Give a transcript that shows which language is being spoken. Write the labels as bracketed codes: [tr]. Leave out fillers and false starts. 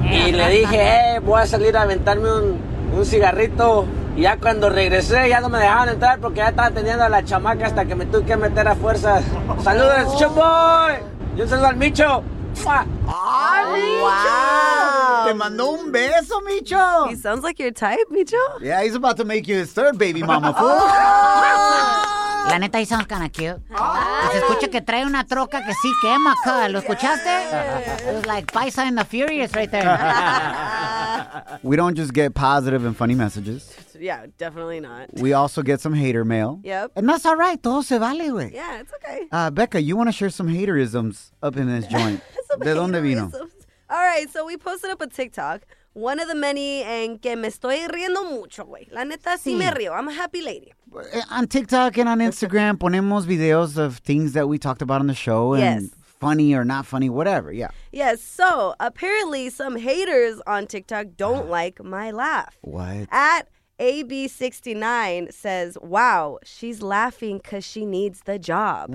[es] Y le dije, voy a salir a aventarme un cigarrito. Y ya cuando regresé ya no me dejaban entrar porque ya estaba teniendo a la chamaca hasta que me tuve que meter a fuerzas. ¡Saludos, Shoboy! Y un saludo al Micho. ¡Ah, oh, Micho! Wow. ¡Te mandó un beso, Micho! [en] He sounds like your type, Micho. Yeah, he's about to make you his third baby mama, fool. Oh. [es] La neta, [en] he sounds kinda cute. Oh. [es] Se escucha que trae una troca que sí quema, acá. ¿Lo escuchaste? [en] Yeah. It was like Paisa and the Furious right there. We don't just get positive and funny messages. Yeah, definitely not. We also get some hater mail. Yep. And that's all right. [es] Todo se vale, güey. [en] Yeah, it's okay. Becca, you want to share some haterisms up in this joint. [es] ¿De dónde vino? [en] All right, so we posted up a TikTok. One of the many [es] en que me estoy riendo mucho, güey. La neta, sí me río. [en] I'm a happy lady. On TikTok and on Instagram, [es] ponemos videos [en] of things that we talked about on the show. And yes. Funny or not funny, whatever, yeah. Yes, so apparently some haters on TikTok don't like my laugh. What? At AB69 says, wow, she's laughing because she needs the job.